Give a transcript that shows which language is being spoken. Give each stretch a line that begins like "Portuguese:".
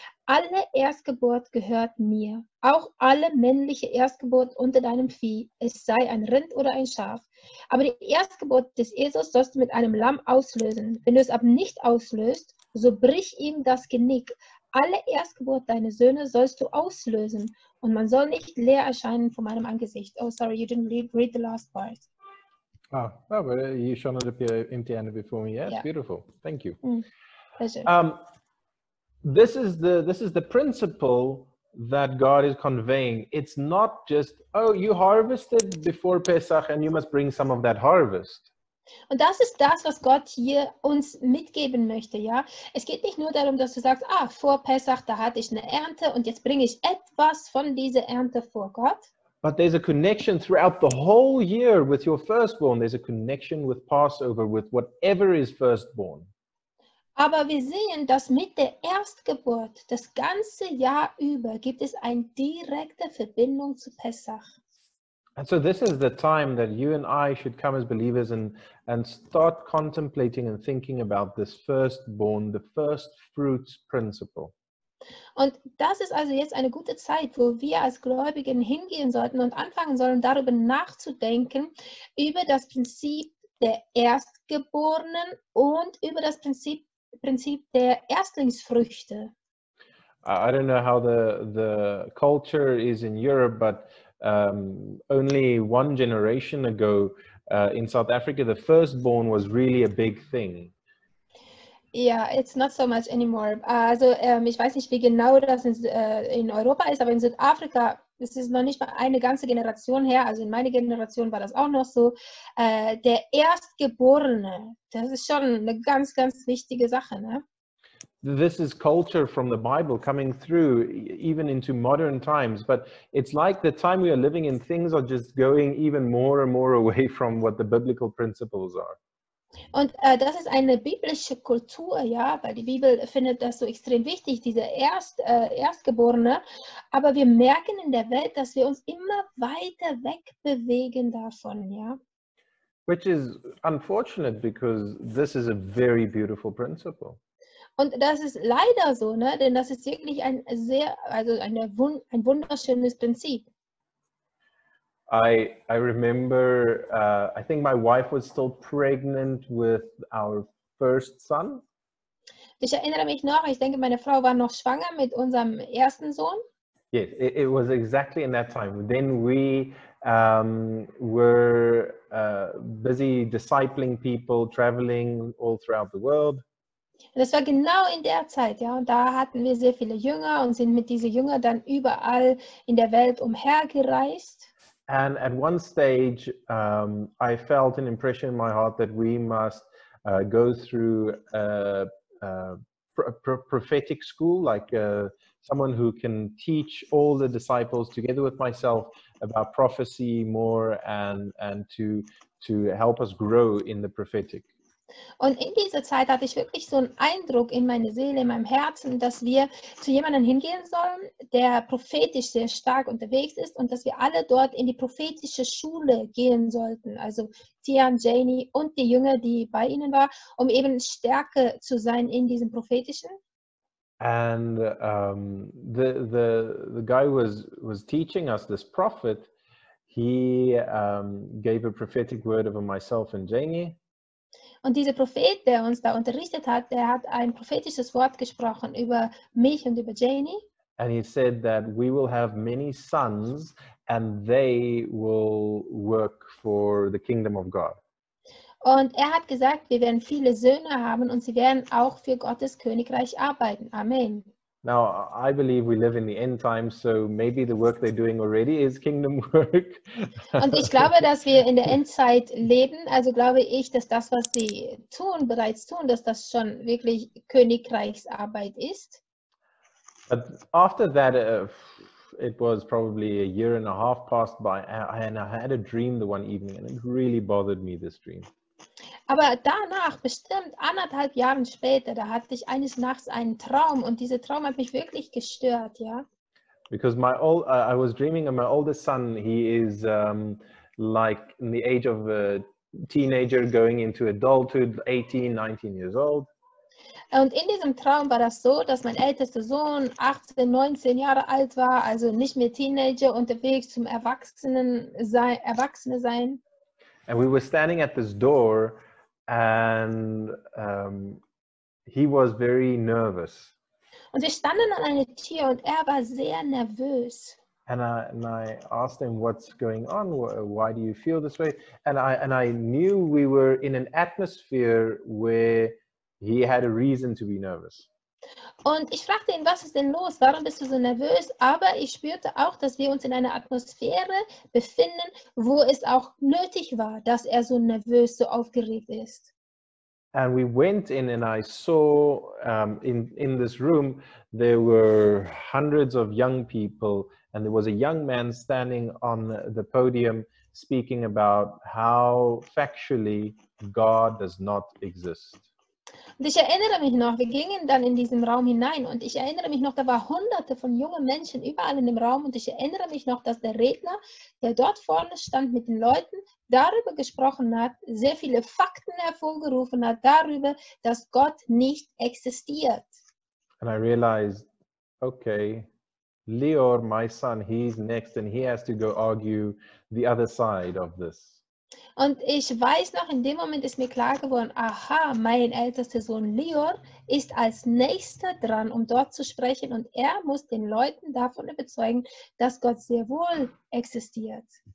German: Alle Erstgeburt gehört mir, auch alle männliche Erstgeburt unter deinem Vieh, es sei ein Rind oder ein Schaf. Aber die Erstgeburt des Esels sollst du mit einem Lamm auslösen. Wenn du es aber nicht auslöst, so brich ihm das Genick. Alle Erstgeburt deiner Söhne sollst du auslösen und man soll nicht leer erscheinen vor meinem Angesicht.
English: Oh, sorry, you didn't read the last part. Ah, oh, well, you shall not appear empty-handed before me. Yeah, it's beautiful. Thank you. Pleasure. This is the principle that God is conveying. It's not just, oh, you harvested before Pesach and you must bring some of that harvest.
German: Und das ist das, was Gott hier uns mitgeben möchte, ja. Es geht nicht nur darum, dass du sagst, ah, vor Pesach, da hatte ich eine Ernte und jetzt bringe ich etwas von dieser Ernte vor Gott.
English: But there's a connection throughout the whole year with your firstborn. There's a connection with Passover, with whatever is firstborn.
German: Aber wir sehen, dass mit der Erstgeburt das ganze Jahr über gibt es eine direkte Verbindung zu Pesach.
English: And so this is the time that you and I should come as believers and start contemplating and thinking about this firstborn, the first fruits principle.
German: Und das ist also jetzt eine gute Zeit, wo wir als Gläubigen hingehen sollten und anfangen sollen, darüber nachzudenken, über das Prinzip der Erstgeborenen und über das Prinzip der Erstlingsfrüchte.
English: I don't know how the culture is in Europe, but only one generation ago in South Africa, the firstborn was really a big thing. Yeah, it's not so much anymore.
German: Also, ich weiß nicht, wie genau das in Europa ist, aber in Südafrika, es ist noch nicht mal eine ganze Generation her, also in meiner Generation war das auch noch so. Der Erstgeborene, das ist schon eine ganz, ganz wichtige Sache, ne?
English: This is culture from the Bible coming through even into modern times, but it's like the time we are living in, things are just going even more and more away from what the biblical principles are.
German: Und das ist eine biblische Kultur, ja, weil die Bibel findet das so extrem wichtig, diese Erstgeborene. Aber wir merken in der Welt, dass wir uns immer weiter wegbewegen davon, ja.
English: Which is unfortunate, because this is a very beautiful principle.
German: Und das ist leider so, ne? Denn das ist wirklich ein sehr, also ein wunderschönes Prinzip.
English: I remember, I think my wife was still pregnant with our first son.
German: Ich erinnere mich noch, ich denke, meine Frau war noch schwanger mit unserem ersten Sohn.
English: Yes, it was exactly in that time. Then we were busy discipling people, traveling all throughout the world.
German: Das war genau in der Zeit, ja, und da hatten wir sehr viele Jünger und sind mit diesen Jüngern dann überall in der Welt umhergereist.
English: And at one stage I felt an impression in my heart that we must go through a prophetic school, like someone who can teach all the disciples together with myself about prophecy more and to help us grow in the prophetic.
German: Und in dieser Zeit hatte ich wirklich so einen Eindruck in meiner Seele, in meinem Herzen, dass wir zu jemandem hingehen sollen, der prophetisch sehr stark unterwegs ist und dass wir alle dort in die prophetische Schule gehen sollten. Also Tian, Janie und die Jünger, die bei ihnen war, um eben stärker zu sein in diesem prophetischen.
English: And the guy was teaching us, this prophet, he gave a prophetic word over myself and Janie.
German: Und dieser Prophet, der uns da unterrichtet hat, der hat ein prophetisches Wort gesprochen über mich und über Janie.
English: And he said that we will have many sons and they will work for the kingdom of God.
German: Und er hat gesagt, wir werden viele Söhne haben und sie werden auch für Gottes Königreich arbeiten. Amen.
English: Now, I believe we live in the end times, so maybe the work they're doing already is kingdom work.
German: Und ich glaube, dass wir in der Endzeit leben, also glaube ich, dass das, was sie tun, bereits tun, dass das schon wirklich Königreichsarbeit ist.
English: But after that, it was probably a year and a half passed by, and I had a dream the one evening, and it really bothered me, this dream.
German: Aber danach, bestimmt anderthalb Jahre später, da hatte ich eines Nachts einen Traum und dieser Traum hat mich wirklich gestört, ja.
English: Because my old, I was dreaming of my oldest son, he is like in the age of a teenager going into adulthood, 18, 19 years old.
German: Und in diesem Traum war das so, dass mein ältester Sohn 18, 19 Jahre alt war, also nicht mehr Teenager, unterwegs zum Erwachsenensein.
English: And we were standing at this door and he was very nervous.
German: Und wir standen an einer Tür und er war sehr nervös.
English: And I asked him, what's going on? Why do you feel this way? And I knew we were in an atmosphere where he had a reason to be nervous.
German: Und ich fragte ihn, was ist denn los? Warum bist du so nervös? Aber ich spürte auch, dass wir uns in einer Atmosphäre befinden, wo es auch nötig war, dass er so nervös, so aufgeregt ist.
English: And we went in and I saw in this room there were hundreds of young people and there was a young man standing on the podium speaking about how factually God does not exist.
German: Und ich erinnere mich noch, wir gingen dann in diesen Raum hinein und ich erinnere mich noch, da waren hunderte von jungen Menschen überall in dem Raum und ich erinnere mich noch, dass der Redner, der dort vorne stand mit den Leuten, darüber gesprochen hat, sehr viele Fakten hervorgerufen hat, darüber, dass Gott nicht existiert.
English: And I realized, okay, Leor, my son, he's next and he has to go argue the other side of this.
German: Und ich weiß noch, in dem Moment ist mir klar geworden, aha, mein ältester Sohn Leor ist als Nächster dran, um dort zu sprechen und er muss den Leuten davon überzeugen, dass Gott sehr wohl existiert.